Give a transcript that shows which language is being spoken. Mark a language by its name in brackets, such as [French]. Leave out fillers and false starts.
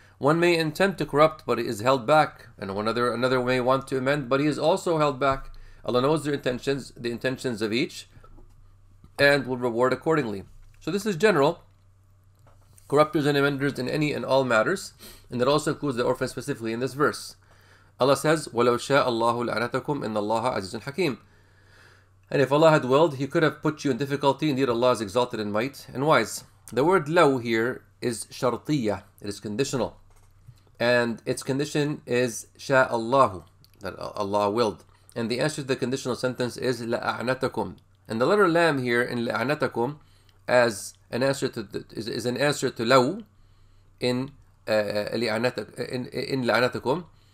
[English] One may intend to corrupt, but he is held back. And another may want to amend, but he is also held back. Allah knows the intentions of each, and will reward accordingly. So this is general. Corruptors and amenders in any and all matters, and that also includes the orphan specifically in this verse. Allah says, [Arabic] وَلَوْ شَاءَ اللَّهُ لَعَنَتَكُمْ إِنَّ اللَّهَ عَزِيزٌ حَكِيمٌ. [English] And if Allah had willed, He could have put you in difficulty. Indeed, Allah is exalted in might and wise. The word لَوْ here is شَرْطِيَّة. It is conditional. And its condition is شَاءَ اللَّهُ, that Allah willed. And the answer to the conditional sentence is لَأَعْنَتَكُمْ. And the letter لَام here in لَأَعْنَتَكُمْ as an answer to is an answer to لَوْ in لَأَعْنَتَكُمْ.